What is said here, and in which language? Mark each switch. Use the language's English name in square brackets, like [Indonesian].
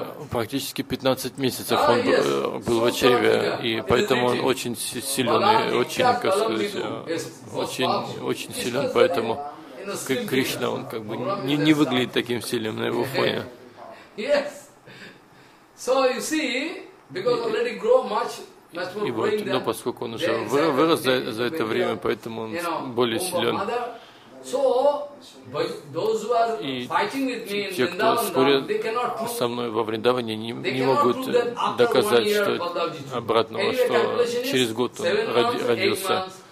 [Russian] практически 15 месяцев он был в чреве, и поэтому он очень силен, очень, как сказать, очень силен, поэтому как Кришна, он как бы не выглядит таким сильным на его фоне. И вот, но поскольку он уже вырос за это время, поэтому он более силен. [English] So, those who are fighting with me in Vrindavan, they cannot prove. [Russian] Те, кто спорят со мной во Вриндаване, не могут доказать, что обратного, что через год он родился.